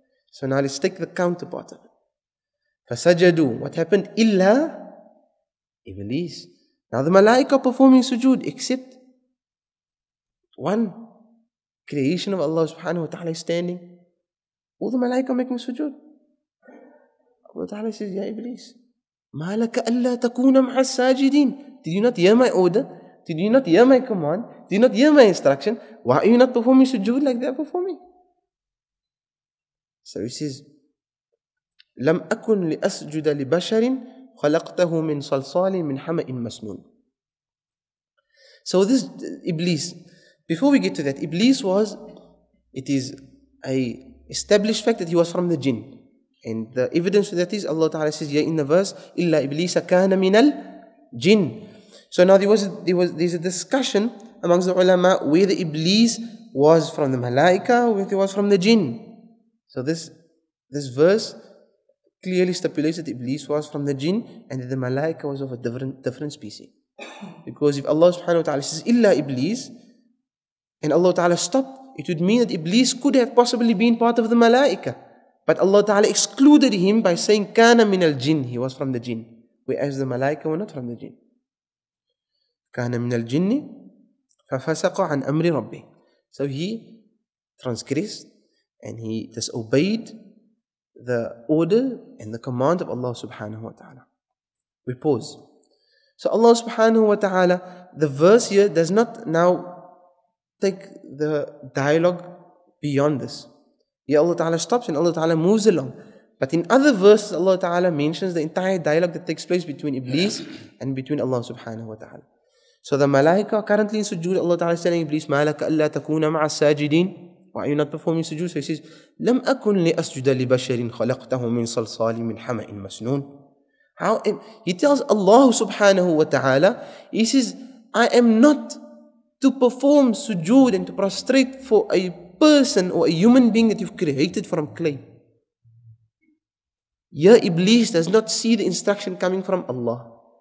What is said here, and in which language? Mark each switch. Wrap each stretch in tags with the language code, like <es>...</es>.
<en>So now let's take the counterpart.</en> <ar>فَسَجَدُوا.</ar> <en>What happened? إِلَّا Iblis. Now the malaika performing sujood, except one creation of Allah subhanahu wa ta'ala is standing. All the malaika making sujood. Allah ta'ala says,</en> <ar>"Ya Iblis, مَا لَكَ أَلَّا تَكُونَ مَعَ السَّاجِدِينَ."</ar> <en>Did you not hear my order? Did you not hear my command? Did you not hear my instruction? Why are you not performing sujood like they are performing? So he says,</en> <ar>"لَمْ أَكُنْ لِأَسْجُدَ لِبَشَرٍ خَلَقْتَهُ مِنْ صَلْصَالٍ مِنْ حَمَئٍ مَسْنُونٍ."</ar> <en>So this Iblis, before we get to that, Iblis was, it is a established fact that he was from the jinn. And the evidence for that is, Allah Ta'ala says, "Ya in the verse,</en> <ar>إِلَّا إِبْلِيسَ كَانَ مِنَ الْجِنِّ."</ar> <en>So now there's a discussion amongst the ulama whether Iblis was from the malaika or whether he was from the jinn. So this verse clearly stipulates that Iblis was from the jinn and that the malaika was of a different species. Because if Allah subhanahu wa ta'ala says, "Illa Iblis," and Allah ta'ala stopped, it would mean that Iblis could have possibly been part of the malaika. But Allah ta'ala excluded him by saying,</en> <ar>"Kana min al-jinn,"</ar> <en>he was from the jinn. Whereas the malaika were not from the jinn.</en> <ar>كان من الجن ففسق عن أمر ربه.</ar> <en>So he transgressed and he disobeyed the order and the command of Allah subhanahu wa ta'ala. We pause. So Allah subhanahu wa ta'ala, the verse here does not now take the dialogue beyond this. Here Allah ta'ala stops and Allah ta'ala moves along. But in other verses, Allah ta'ala mentions the entire dialogue that takes place between Iblis and between Allah subhanahu wa ta'ala. So the malaika currently in sujood, Allah Ta'ala is telling Iblis,</en> <ar>"مَا لَكَ أَلَّا تَكُونَ مَعَ السَّاجِدِينَ."</ar> <en>Why are you not performing sujood? So he says,</en> <ar>"لَمْ أَكُنْ لِأَسْجُدَ لِبَشَرٍ خَلَقْتَهُ مِنْ صَلْصَالٍ مِنْ حَمَئٍ مَسْنُونَ."</ar> <en>How? He tells Allah subhanahu wa ta'ala, he says, "I am not to perform sujood and to prostrate for a person or a human being that you've created from clay." Here Iblis does not see the instruction coming from Allah.</en>